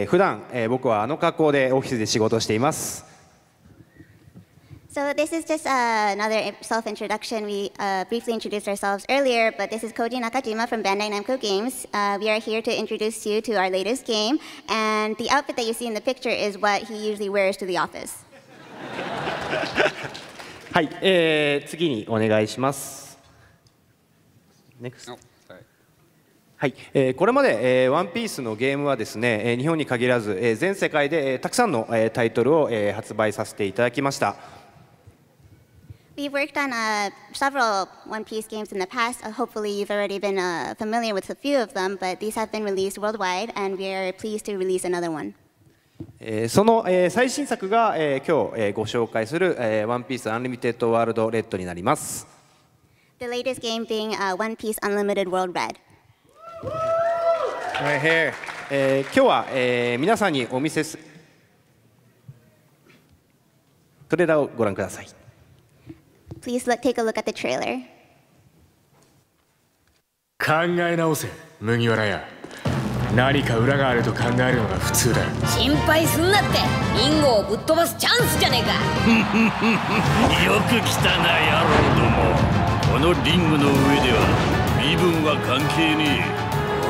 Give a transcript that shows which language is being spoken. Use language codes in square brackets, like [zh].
[ja] じゃあ、ゲームの紹介させていただきます。先ほど自己紹介したんですけども、バンダイナムコの中島です。普段僕はあの格好でオフィスで仕事をしています。 [en] So this is just another self-introduction. We briefly introduced ourselves earlier, but this is Koji Nakajima from Bandai Namco Games. We are here to introduce you to our latest game, and the outfit that you see in the picture is what he usually wears to the office. [ja] はい、次にお願いします。 [en] Next。 [ja] はい、これまでワンピースのゲームはですね、日本に限らず全世界でたくさんのタイトルを発売させていただきました。 [en] We've worked on several One Piece games in the past. Hopefully you've already been familiar with a few of them, but these have been released worldwide, and we are pleased to release another one. [ja] その最新作が今日ご紹介するワンピースアンリミテッドワールドレッドになります。 [en] The latest game being One Piece Unlimited World Red. Right here. [ja] 今日は皆さんにお見せすトレーラーをご覧ください。 [en] Please look, take a look at the trailer. [ja] 考え直せ麦わら屋、何か裏があると考えるのが普通だ。心配すんなって、インゴをぶっ飛ばすチャンスじゃねえか。よく来たな野郎ども。このリングの上では身分は関係ねえ。